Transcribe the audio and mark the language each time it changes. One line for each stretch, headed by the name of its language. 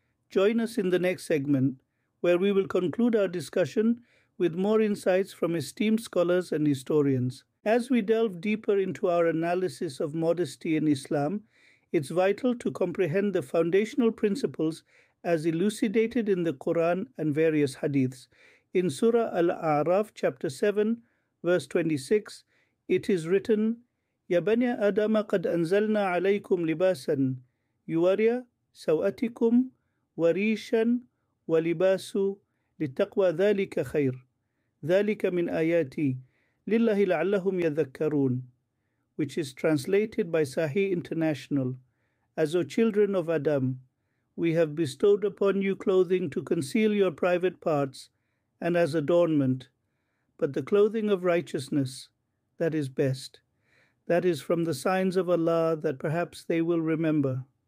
English: Join us in the next segment, where we will conclude our discussion with more insights from esteemed scholars and historians. As we delve deeper into our analysis of modesty in Islam, it's vital to comprehend the foundational principles as elucidated in the Quran and various hadiths. In Surah Al-A'raf, chapter 7, verse 26, it is written,
Arabic: يَا بَنِيَ آدَمَ قَدْ أَنزَلْنَا عَلَيْكُمْ لِبَاسًا يُوَارِيَ سَوْأَتِكُمْ وَرِيشًا وَلِبَاسُ لِتَقْوَى ذَلِكَ خَيْرٌ ذَلِكَ مِنْ آيَاتِي لِلَّهِ لَعَلَّهُمْ يَذَكَّرُونَ,
English: which is translated by Sahih International. As O children of Adam, we have bestowed upon you clothing to conceal your private parts and as adornment, but the clothing of righteousness, that is best. That is from the signs of Allah that perhaps they will remember.